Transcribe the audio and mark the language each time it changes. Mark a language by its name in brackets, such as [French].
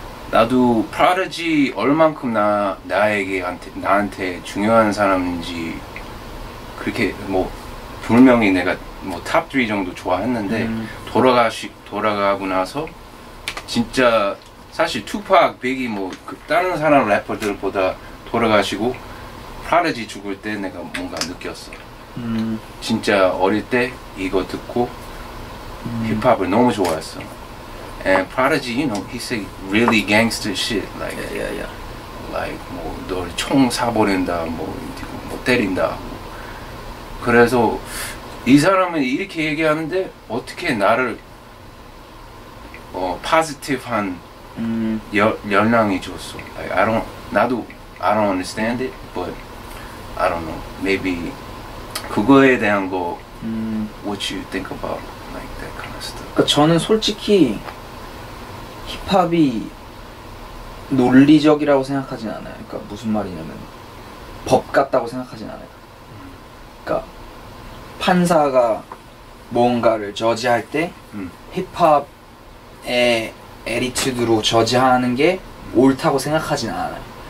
[Korean] 나도 프라더지 얼만큼 나한테 중요한 사람인지 그렇게 뭐 분명히 내가 뭐 탑3 정도 좋아했는데 돌아가고 나서 진짜 사실 투팍 빅이 뭐 그 다른 사람 래퍼들보다 돌아가시고 프라더지 죽을 때 내가 뭔가 느꼈어. 진짜 어릴 때 이거 듣고 힙합을 너무 좋아했어. [English] And prodigy, you know, he said really gangster shit like yeah yeah yeah. [Korean] Like 뭐 너를 총 사버린다 뭐 때린다. 그래서 이 사람은 이렇게 얘기하는데 어떻게 나를 positive한 연락이 줬어. [English] Like, I don't understand it, but I don't know. Maybe [Korean] 그거에 대한 거 [English] what you think about like that kind of stuff. [Korean] 그러니까 저는 솔직히 힙합이 논리적이라고 생각하진 않아요. 그러니까 무슨 말이냐면 법 같다고 생각하진 않아요. 그러니까 판사가 뭔가를 저지할 때 힙합의 애티튜드로 저지하는 게 옳다고 생각하진 않아요.